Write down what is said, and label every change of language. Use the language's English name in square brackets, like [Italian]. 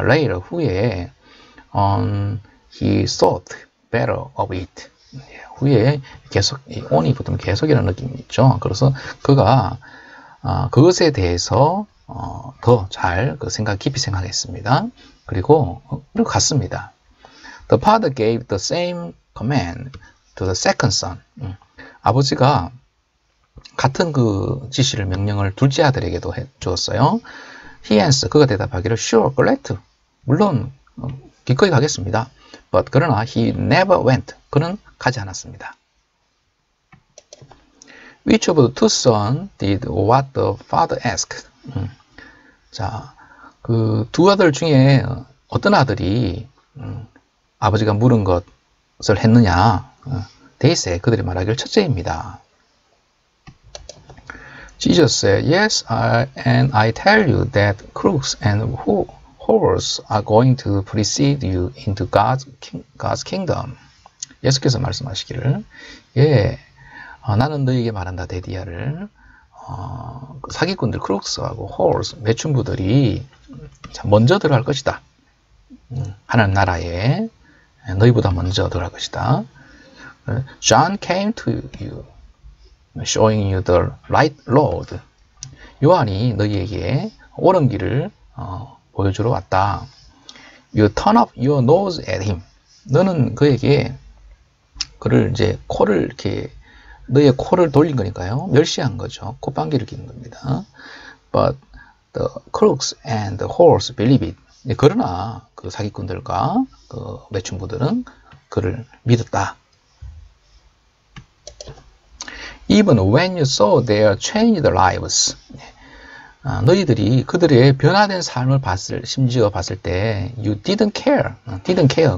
[English] Later, 후에, he thought better of it. [Korean] 후에 계속, on이 붙으면 계속이라는 느낌이죠. 그래서 그가 그것에 대해서 더 잘 그 생각 깊이 생각했습니다. 그리고 갔습니다. [English] The father gave the same command to the second son. [Korean] 아버지가 같은 그 지시를 명령을 둘째 아들에게도 주었어요. [English] He answered. [Korean] 그가 대답하기를 [English] sure, glad to. [Korean] 물론 기꺼이 가겠습니다. [English] But 그러나 he never went. [Korean] 그는 가지 않았습니다. [English] Which of the two sons did what the father asked? [Korean] 자, 그 두 아들 중에 어떤 아들이 아버지가 물은 것을 했느냐? [English] They said. [Korean] 그들이 말하기를 첫째입니다. [English] Jesus said, Yes, I tell you that crooks and whores are going to precede you into God's kingdom. [Korean] 예수께서 말씀하시기를, 예, 나는 너에게 말한다, 데디아를. 사기꾼들, 크룩스하고 whores, 매춘부들이 먼저 들어갈 것이다. 하나님 나라에 너희보다 먼저 들어갈 것이다. [English] John came to you. Showing you the right road. [Korean] 요한이 너희에게 옳은 길을 보여주러 왔다. [English] You turn up your nose at him. [Korean] 너는 그에게 그를 이제 코를 이렇게 너의 코를 돌린 거니까요. 멸시한 거죠. 콧방귀를 뀌는 겁니다. [English] But the crooks and the whores believe it. [Korean] 그러나 그 사기꾼들과 그 매춘부들은 그를 믿었다. [English] Even when you saw their changed lives. [Korean] 너희들이 그들의 변화된 삶을 봤을, 심지어 봤을 때, [English] you didn't care. Didn't care.